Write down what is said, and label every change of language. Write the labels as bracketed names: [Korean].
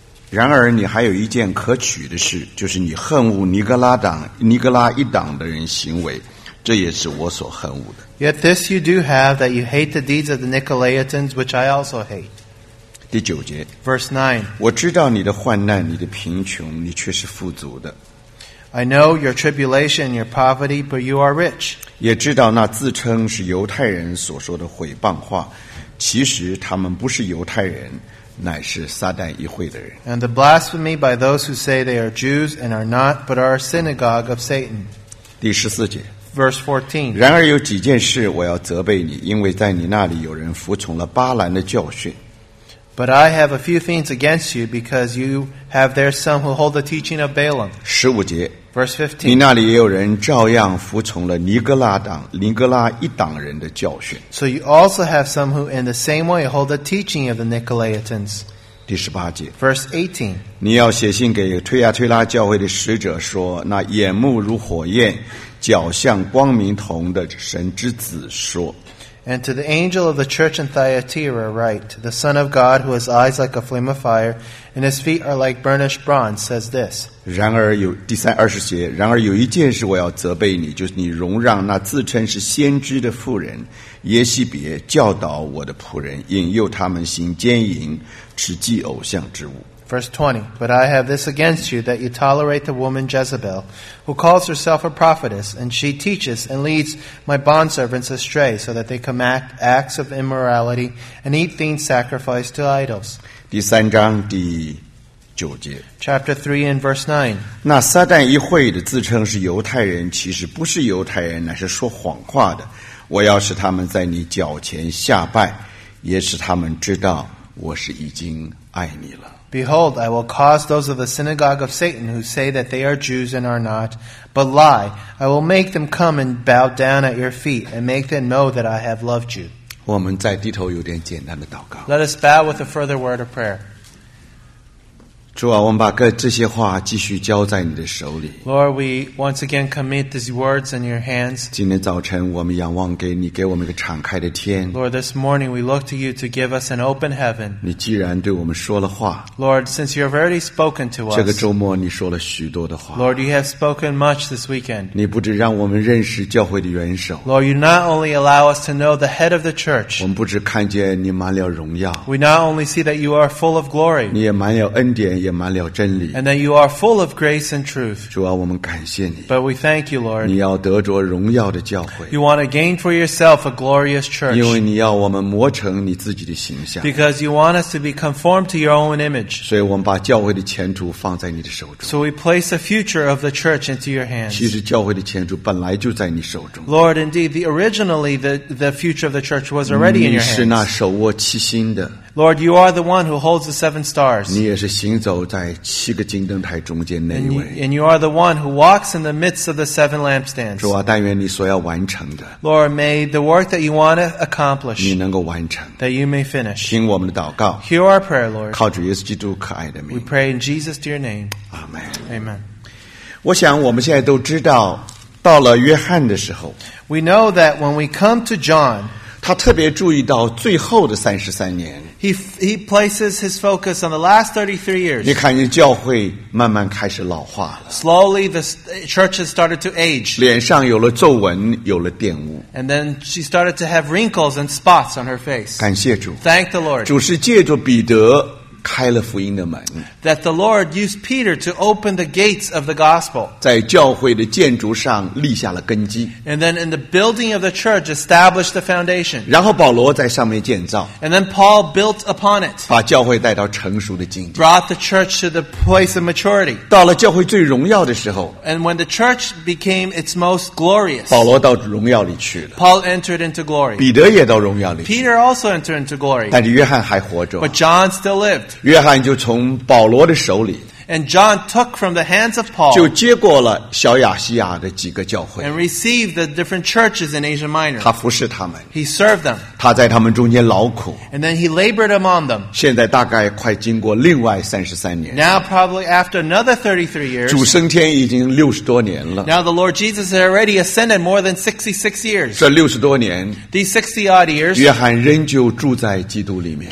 [Chinese] 然而你还有一件可取的事，就是你恨恶尼格拉一党的人行为，这也是我所恨恶的。 [English] Yet this you do have, that you hate the deeds of the Nicolaitans, which I also hate. [Chinese] 第九节 [English] Verse 9. [Chinese] 我知道你的患难，你的贫穷，你却是富足的。 [English] I know your tribulation and your poverty, but you are rich. [Chinese] 也知道那自称是犹太人所说的毁谤话，其实他们不是犹太人，乃是撒旦一会的人。 [English] And the blasphemy by those who say they are Jews and are not, but are a synagogue of Satan. [Chinese] 第十四节 [English] Verse 14. [Chinese] 然而有几件事我要责备你，因为在你那里有人服从了巴兰的教训。 [English] But I have a few things against you, because you have there some who hold the teaching of Balaam. [Chinese] 十五节 [English] Verse 15. [Chinese] 你那里也有人照样服从了尼格拉一党人的教训。 [English] So you also have some who in the same way hold the teaching of the Nicolaitans. [Chinese] 第十八节 [English] Verse 18. [Chinese] 你要写信给推亚推拉教会的使者说，那眼目如火焰，脚像光明铜的神之子说。 [English] And to the angel of the church in Thyatira write, the Son of God, who has eyes like a flame of fire, and his feet are like burnished bronze, says this. [Chinese] 第三二十节，然而有一件事我要责备你，就是你容让那自称是先知的妇人耶西别教导我的仆人，引诱他们行奸淫，吃祭偶像之物。 [English] Verse 20. But I have this against you, that you tolerate the woman Jezebel, who calls herself a prophetess, and she teaches and leads my bondservants astray, so that they commit acts of immorality and eat things sacrificed to idols. [Chinese] 第三章第九节 [English] Chapter 3 and verse 9. [Chinese] 那撒旦一会的自称是犹太人，其实不是犹太人，乃是说谎话的。我要使他们在你脚前下拜，也使他们知道我是已经爱你了。 [English] Behold, I will cause those of the synagogue of Satan who say that they are Jews and are not, but lie. I will make them come and bow down at your feet and make them know that I have loved you. [Chinese] 我们再低头有点简单的祷告。 [English] Let us bow with a further word of prayer. [Chinese] 主啊，我们把这些话继续交在你的手里。 [English] Lord, we once again commit these words in your hands. [Chinese] 今天早晨我们仰望给你，给我们一个敞开的天。 [English] Lord, this morning we look to you to give us an open heaven. [Chinese] 你既然对我们说了话。 [English] Lord, since you have already spoken to us. [Chinese] 这个周末你说了许多的话。 [English] Lord, you have spoken much this weekend. [Chinese] 你不只让我们认识教会的元首。 [English] Lord, you not only allow us to know the head of the church. [Chinese] 我们不只看见你满了荣耀。 [English] We not only see that you are full of glory. [Chinese] 你也满了恩典。也满了真理。 [English] And that you are full of grace and truth. [Chinese] 主啊，我们感谢你。 [English] But we thank you, Lord. [Chinese] 你要得着荣耀的教会。 [English] You want to gain for yourself a glorious church. [Chinese] 因为你要我们磨成你自己的形象。 [English] Because you want us to be conformed to your own image. [Chinese] 所以我们把教会的前途放在你的手中。 [English] So we place the future of the church into your hands. [Chinese] 其实教会的前途本来就在你手中。 [English] Lord, indeed, originally the future of the church was already in your hands. [Chinese] 你是那手握七星的。 [English] Lord, you are the one who holds the seven stars. [Chinese] 你也是行走在七个金灯台中间那一位。 [English] And you are the one who walks in the midst of the seven lampstands. [Chinese] 主啊，但愿你所要完成的。 [English] Lord, may the work that you want to accomplish. [Chinese] 你能够完成。 [English] That you may finish. [Chinese] 听我们的祷告。 [English] Hear our prayer, Lord. [Chinese] 靠主耶稣基督可爱的名。 [English] We pray in Jesus' dear name. Amen. Amen. [Chinese] 我想我们现在都知道，到了约翰的时候。 [English] We know that when we come to John. [Chinese] 他特别注意到最后的三十三年。 [English] He places his focus on the last 33 years. [Chinese] 你看，教会慢慢开始老化了。 [English] Slowly, the church has started to age. [Chinese] 脸上有了皱纹，有了玷污。 [English] And then she started to have wrinkles and spots on her face. [Chinese] 感谢主。 [English] Thank the Lord. [Chinese] 主是借着彼得开了福音的门。 [English] That the Lord used Peter to open the gates of the gospel. [Chinese] 在教会的建筑上立下了根基。 [English] And then in the building of the church established the foundation. [Chinese] 然后保罗在上面建造。 [English] And then Paul built upon it. [Chinese] 把教会带到成熟的境地。 [English] Brought the church to the place of maturity. [Chinese] 到了教会最荣耀的时候。 [English] And when the church became its most glorious. [Chinese] 保罗到荣耀里去了。 [English] Paul entered into glory. [Chinese] 彼得也到荣耀里去。 [English] Peter also entered into glory. [Chinese] 但是约翰还活着。 [English] But John still lived. [Chinese] 约翰就从保罗的手里 [English] And John took from the hands of Paul [Chinese] 就接过了小亚细亚的几个教会 [English] and received the different churches in Asia Minor. [Chinese] 他服侍他们 [English] He served them. [Chinese] 他在他们中间劳苦 [English] And then he labored among them. [Chinese] 现在大概快经过另外33年 [English] Now probably after another 33 years. [Chinese] 主升天已经60多年了 [English] Now the Lord Jesus had already ascended more than 66 years. [Chinese] 这60多年 [English] These 60 odd years. [Chinese] 约翰仍旧住在基督里面